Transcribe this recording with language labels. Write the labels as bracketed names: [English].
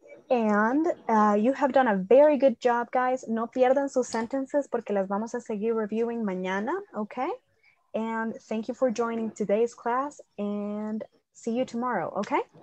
[English] And you have done a very good job, guys. [Spanish] No pierdan sus sentences porque las vamos a seguir reviewing mañana, okay? [English] And thank you for joining today's class and see you tomorrow, okay?